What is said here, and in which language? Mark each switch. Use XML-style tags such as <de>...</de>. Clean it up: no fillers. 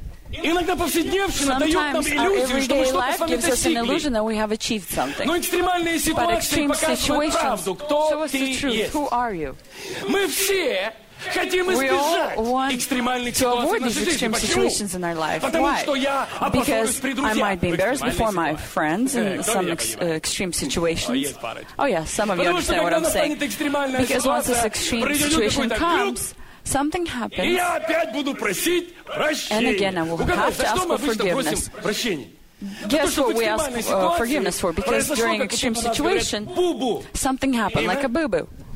<ru>Иногда повседневщина дает нам иллюзию, что мы что-то с вами достигли. Illusion, но экстремальные ситуации показывают правду. Кто ты есть? Мы все хотим избежать экстремальных ситуаций в нашей жизни. Почему? Потому</ru> <en>Why?</en> <ru>Что я опозорюсь при друзьях.</ru> <en>I might be embarrassed before my friends in some extreme situations. Oh yeah, some of you understand what I'm saying. Because once this extreme situation comes, something happens.</en> <ru>И я опять буду просить прощения.</ru> <en>And again, I will have to ask for forgiveness. Guess what we ask forgiveness for? Because during extreme situation, something happened, like a boo-boo.</en>